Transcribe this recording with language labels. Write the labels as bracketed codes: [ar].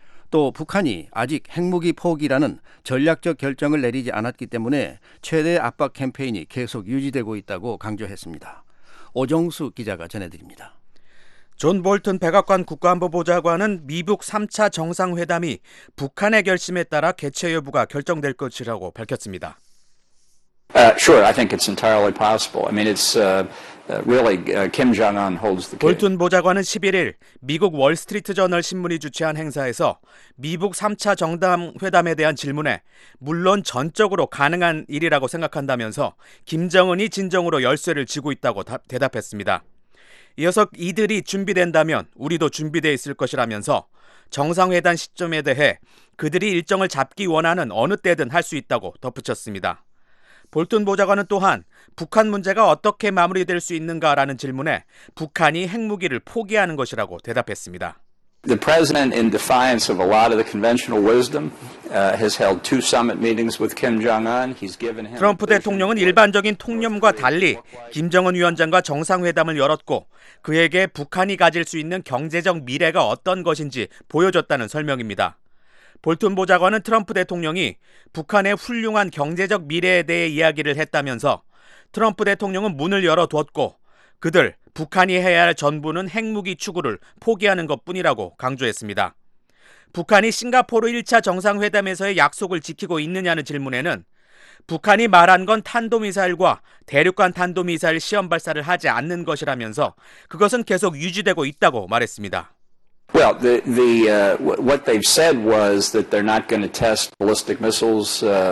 [ko] 또 북한이 아직 핵무기 포기라는 전략적 결정을 내리지 않았기 때문에 최대 압박 캠페인이 계속 유지되고 있다고 강조했습니다. 오정수 기자가 전해드립니다. 존 볼튼 백악관 국가안보보좌관은 미북 3차 정상회담이 북한의 결심에 따라 개최 여부가 결정될 것이라고 밝혔습니다. [en] Sure, I think it's entirely possible. I mean, it's really Kim Jong-un holds the key. [ko] 볼튼 보좌관은 11일 미국 월스트리트저널 신문이 주최한 행사에서 미북 3차 정상회담에 대한 질문에 물론 전적으로 가능한 일이라고 생각한다면서 김정은이 진정으로 열쇠를 쥐고 있다고 대답했습니다. 이어서 이들이 준비된다면 우리도 준비되어 있을 것이라면서 정상회담 시점에 대해 그들이 일정을 잡기 원하는 어느 때든 할 수 있다고 덧붙였습니다. 볼튼 보좌관은 또한 북한 문제가 어떻게 마무리될 수 있는가라는 질문에 북한이 핵무기를 포기하는 것이라고 대답했습니다. [en] The president, in defiance of a lot of the conventional wisdom, has held two summit meetings with Kim Jong-un. He's given him. [ko] 트럼프 대통령은 일반적인 통념과 달리 김정은 위원장과 정상회담을 열었고 그에게 북한이 가질 수 있는 경제적 미래가 어떤 것인지 보여줬다는 설명입니다. 볼튼 보좌관은 트럼프 대통령이 북한의 훌륭한 경제적 미래에 대해 이야기를 했다면서 트럼프 대통령은 문을 열어두었고 그들 북한이 해야 할 전부는 핵무기 추구를 포기하는 것뿐이라고 강조했습니다. 북한이 싱가포르 1차 정상회담에서의 약속을 지키고 있느냐는 질문에는 북한이 말한 건 탄도미사일과 대륙간 탄도미사일 시험 발사를 하지 않는 것이라면서 그것은 계속 유지되고 있다고 말했습니다. [en] Well, what they've said was that they're not going to test ballistic missiles.